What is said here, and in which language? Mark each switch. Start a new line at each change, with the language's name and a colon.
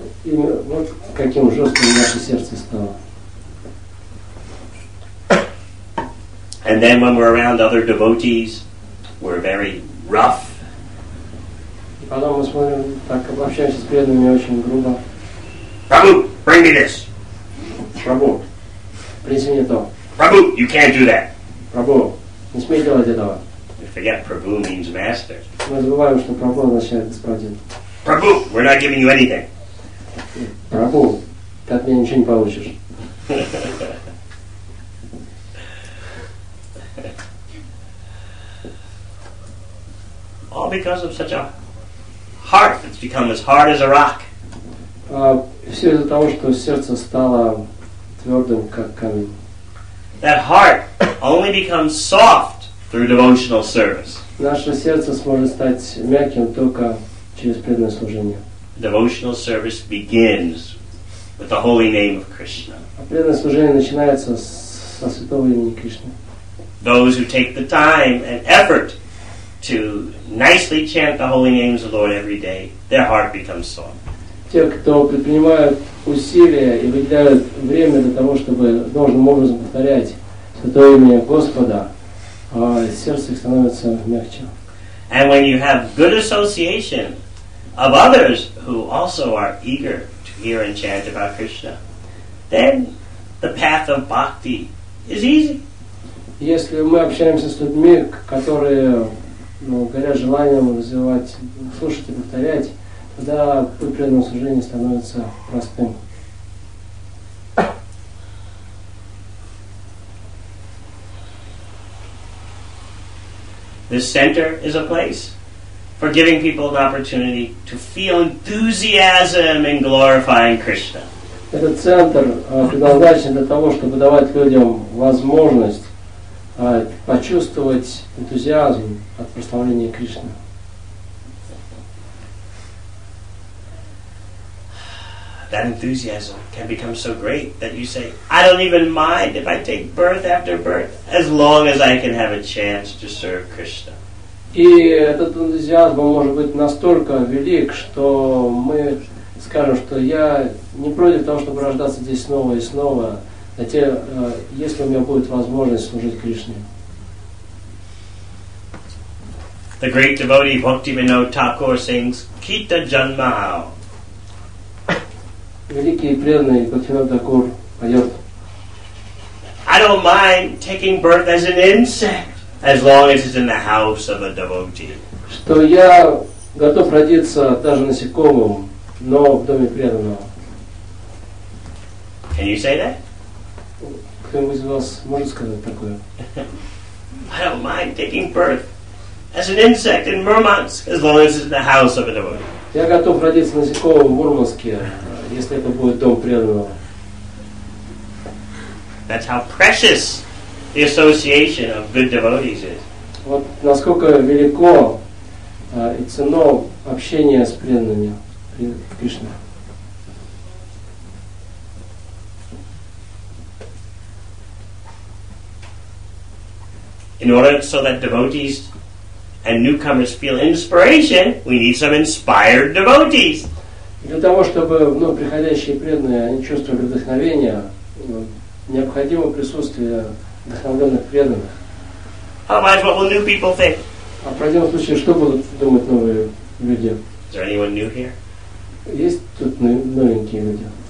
Russian: И вот каким жестким наше сердце стало.
English: And then when we're around other devotees, we're very rough.
Russian: Потом мы смотрим, так общаемся с преданными очень грубо.
English: Prabhu, bring me this.
Russian: Prabhu, принеси мне то.
English: Prabhu, you can't do that.
Russian: Prabhu, не смей делать этого.
English: We forget Prabhu means master.
Russian: Мы забываем, что Prabhu означает господин.
English: Prabhu, we're not giving you anything.
Russian: Prabhu, ты от меня ничего не получишь.
English: All because of such a heart that's become as hard as a rock.
Russian: Все из-за того, что сердце стало твердым, как камень.
English: That heart only becomes soft through devotional service.
Russian: Наше сердце сможет стать мягким только через преданное служение.
English: Devotional service begins with the holy name of Krishna.
Russian: А преданное служение начинается со святого имени Кришны.
English: Those who take the time and effort to nicely chant the holy names of the Lord every day, their heart becomes soft.
Russian: Те, кто предпринимают усилия и выделяют время для того, чтобы должным образом повторять святое имя Господа, сердце их становится мягче.
English: And when you have good association of others who also are eager to hear and chant about Krishna, then the path of bhakti is easy.
Russian: Если мы общаемся с людьми, которые горят желанием вызывать, слушать и повторять, тогда путь преданного служения становится простым.
English: This center is a place for giving people an opportunity to feel enthusiasm in glorifying Krishna.
Russian: Этот центр предназначен для того, чтобы давать людям возможность почувствовать энтузиазм от прославления Кришны.
English: That enthusiasm can become so great that you say, I don't even mind if I take birth after birth, as long as I can have a chance to serve Krishna.
Russian: И этот энтузиазм может быть настолько велик, что мы скажем, что я не против того, чтобы рождаться здесь снова и снова, если у меня будет возможность служить Кришне.
English: The great devotee Bhaktivinoda Thakur sings Kita Janmahau.
Russian: Великий преданный Бхактивинода Такур поет.
English: I don't mind taking birth as an insect as long as it's in the house of a devotee.
Russian: Что я готов родиться даже насекомым, но в доме преданного.
English: Can you say that?
Russian: Кто-нибудь из вас может сказать такое?
English: I don't mind taking birth as an insect in Murmansk as long as it's in the house of a devotee.
Russian: Я готов родиться насекомым в Мурманске, если это будет дом преданного.
English: That's how precious the association of good devotees is.
Russian: Вот насколько велико и ценно общение с преданными Кришне.
English: In order so that devotees and newcomers feel inspiration, we need some inspired devotees.
Russian: Для того, чтобы ну, приходящие преданные они чувствовали вдохновение, необходимо присутствие вдохновленных преданных.
English: Otherwise, what will new people think?
Russian: А в противном случае, что будут думать новые люди?
English: Is there anyone new here?
Russian: Есть тут новенькие люди?